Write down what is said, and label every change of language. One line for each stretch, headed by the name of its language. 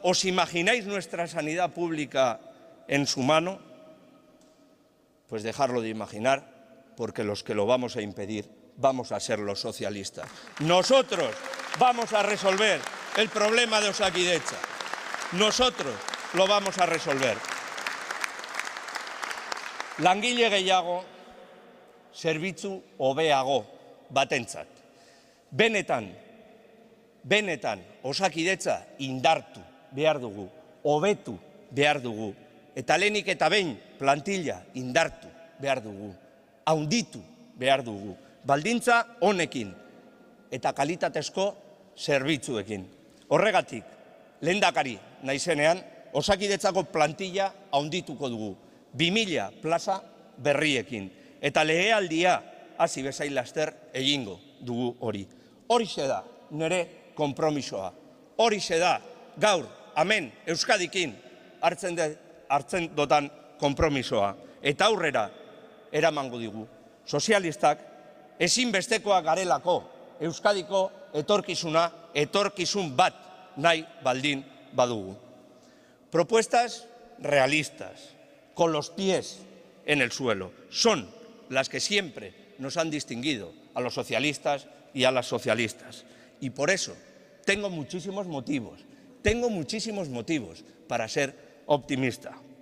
Spanish: ¿Os imagináis nuestra sanidad pública en su mano? Pues dejarlo de imaginar, porque los que lo vamos a impedir vamos a ser los socialistas. Nosotros vamos a resolver el problema de Osakidetza. Nosotros lo vamos a resolver.
Basque: Langile gehiago, zerbitzu hobeago batentzat. Benetan Osakidetza indartu behar dugu, hobetu behar dugu, eta lehenik eta behin plantilla indartu behar dugu, haunditu behar dugu, baldintza honekin eta kalitatezko zerbitzuekin. Horregatik, lehendakari naizenean, Osakidetzako plantilla haundituko dugu, 2.000 plaza berriekin, eta legealdia hasi bezain laster egingo dugu hori. Horixe da nere konpromisoa. Horixe da, gaur, amen, Euskadikin hartzen dotan konpromisoa. Eta aurrera, eramango digu. Sozialistak, ezinbestekoa garelako Euskadiko etorkizuna, etorkizun bat nahi baldin badugu.
Spanish: Propuestas realistas, con los pies en el suelo, son las que siempre nos han distinguido a los socialistas y a las socialistas. Y por eso tengo muchísimos motivos para ser optimista.